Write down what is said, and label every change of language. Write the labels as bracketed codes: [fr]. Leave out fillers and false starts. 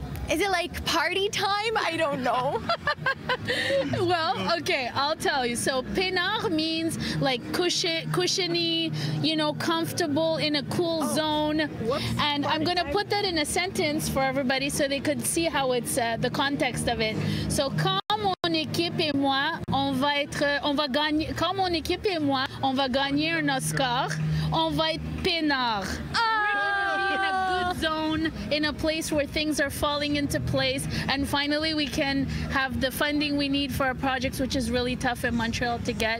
[en] Is it like party time? I don't know. Well, okay, I'll tell you. So pinard means like cushiony, you know, comfortable in a cool zone. Whoops. And party I'm going to put that in a sentence for everybody so they could see how it's the context of it. [fr] So quand mon équipe et moi, on va gagner un Oscar, on va être peinard. Oh. [en] We're gonna be in a good zone, in a place where things are falling into place, and finally we can have the funding we need for our projects, which is really tough in Montreal to get.